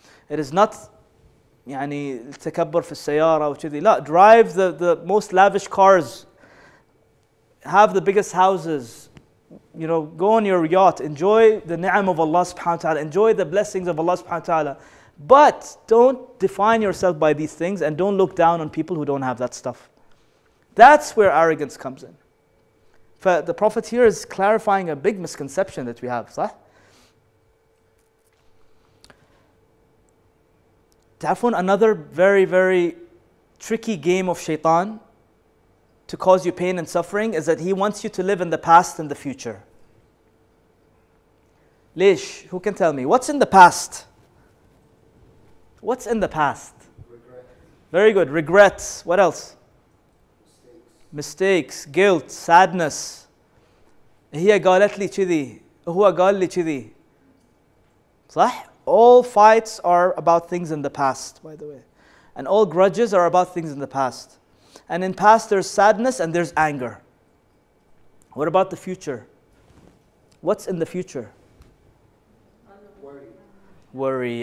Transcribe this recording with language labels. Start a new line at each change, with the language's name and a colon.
Arabic: It is not, يعني تكبر في السيارة وكذي.
English: لا, drive the most lavish cars, have the biggest houses, you know, go on your yacht, enjoy the ni'am of Allah subhanahu wa ta'ala, enjoy the blessings of Allah subhanahu wa ta'ala. But don't define yourself by these things and don't look down on people who don't have that stuff. That's where arrogance comes in. But the Prophet here is clarifying a big misconception that we have.
Arabic: صح?
English: تعرفون, another very, very tricky game of Shaitan to cause you pain and suffering is that he wants you to live in the past and the future. ليش? Who can tell me? What's in the past? What's in the past? Regret. Very good. Regrets. What else? Mistakes. Guilt. Sadness.
Arabic: هي قالت لي كذي هو قال لي كذي صح.
English: All fights are about things in the past, by the way, and all grudges are about things in the past. And in past there's sadness and there's anger. What about the future? What's in the future? Worry